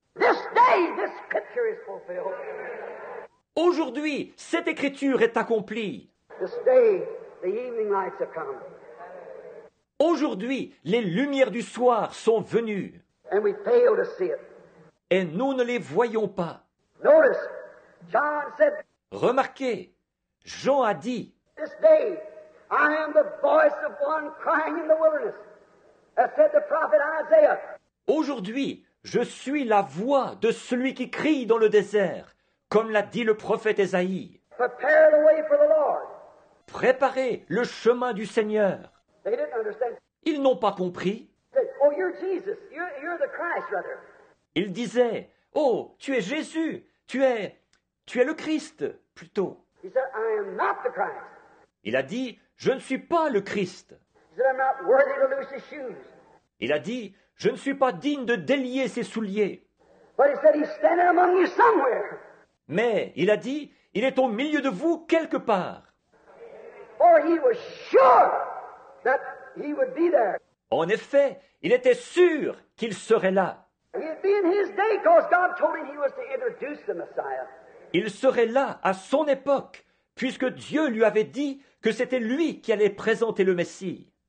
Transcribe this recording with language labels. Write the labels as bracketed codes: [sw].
[en] This day, this scripture is fulfilled. [fr] Aujourd'hui, cette écriture est accomplie. [en] This day, the evening lights have come. [fr] Aujourd'hui, les lumières du soir sont venues. [en] And we fail to see it. [fr] Et nous ne les voyons pas. [en] Notice, John said, [fr] remarquez. Jean a dit, [en] this day, I am the voice of one crying in the wilderness, as said the prophet Isaiah. [fr] Aujourd'hui, je suis la voix de celui qui crie dans le désert, comme l'a dit le prophète Ésaïe. [en] Prepare the way for the Lord. [fr] Préparez le chemin du Seigneur. [en] They didn't understand. [fr] Ils n'ont pas compris. [en] Oh, you're Jesus. You're the Christ, rather. [fr] Ils disaient, oh, tu es Jésus, tu es le Christ, plutôt. [en] He said, I am not the Christ. [fr] Il a dit, je ne suis pas le Christ. [en] He said, I'm not worthy to loose his shoes. [fr] Il a dit, je ne suis pas digne de délier ses souliers. [en] But he said, he's standing among you somewhere. [fr] Mais il a dit, il est au milieu de vous quelque part. [en] For he was sure that he would be there. [fr] En effet, il était sûr qu'il serait là. [en] He'd be in his day because God told him he was to introduce the Messiah. [fr] Il serait là à son époque, puisque Dieu lui avait dit que c'était lui qui allait présenter le Messie.